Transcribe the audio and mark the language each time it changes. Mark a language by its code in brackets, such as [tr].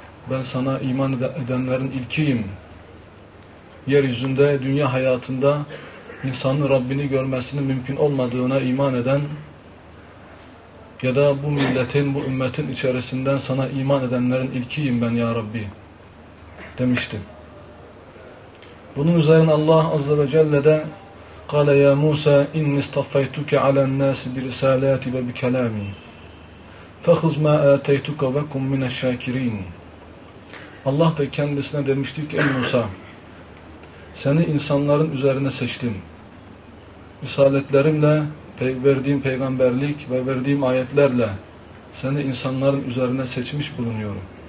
[tr] Ben sana iman edenlerin ilkiyim. Yeryüzünde, dünya hayatında insanın Rabbini görmesinin mümkün olmadığına iman eden ya da bu milletin, bu ümmetin içerisinden sana iman edenlerin ilkiyim ben Ya Rabbi demişti. Bunun üzerine Allah Azze ve Celle de [ar] قَالَ يَا مُوسَى اِنِّ اسْتَفَّيْتُكَ عَلَى النَّاسِ بِرِسَالَاتِ وَبِكَلَامِ فَخُزْ مَا اَتَيْتُكَ وَكُمْ مِنَ الشَّاكِرِينَ. [tr] Allah da kendisine demişti ki ey Musa, seni insanların üzerine seçtim. Risaletlerimle, verdiğim peygamberlik ve verdiğim ayetlerle seni insanların üzerine seçmiş bulunuyorum.